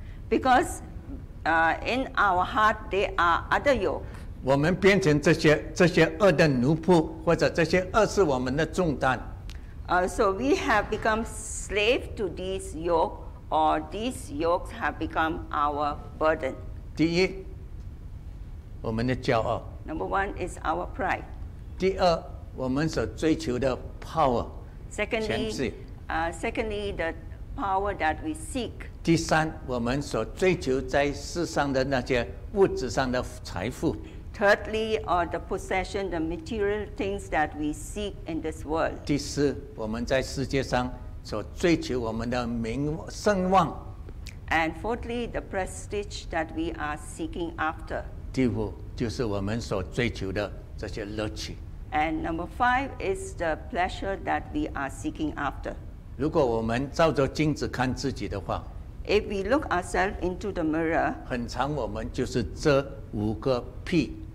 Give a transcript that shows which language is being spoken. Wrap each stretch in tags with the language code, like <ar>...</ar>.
<en>Because in our heart there are other yoke.</en> <zh>我们变成这些恶的奴仆，或者这些恶是我们的重担。</zh> <en>So we have become slave to these yoke, or these yokes have become our burden.</en> <zh>第一，我们的骄傲。</zh> <en>Number one is our pride.</en> <zh>第二，我们所追求的 power.</zh> <en>Secondly, the power that we seek.</en> <zh>第三，我们所追求在世上的那些物质上的财富。</zh> <en>Thirdly, or the possession, the material things that we seek in this world.</en> <zh>第四，我们在世界上所追求我们的名声望。</zh> <en>And fourthly, the prestige that we are seeking after.</en> <zh>第五，就是我们所追求的这些乐趣。</zh> <en>And number five is the pleasure that we are seeking after.</en> <zh>如果我们照着镜子看自己的话，</zh> <en>If we look ourselves into the mirror,</en> <zh>很常我们就是这五个 P。</zh>